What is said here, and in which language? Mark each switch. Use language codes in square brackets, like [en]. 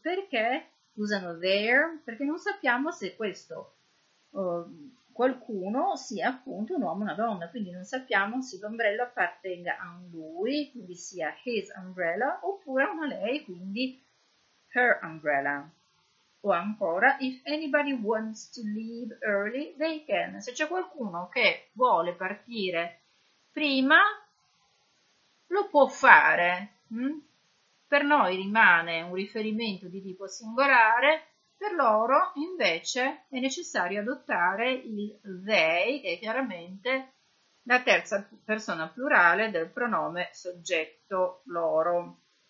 [it] Perché usano there? Perché non sappiamo se questo qualcuno sia appunto un uomo o una donna, quindi non sappiamo se l'ombrello appartenga a lui, quindi sia [en] his umbrella, [it] oppure a una lei, quindi [en] her umbrella. [it] O ancora, [en] if anybody wants to leave early, they can. [it] Se c'è qualcuno che vuole partire prima, lo può fare. Per noi rimane un riferimento di tipo singolare, per loro invece è necessario adottare il they, che è chiaramente la terza persona plurale del pronome soggetto loro.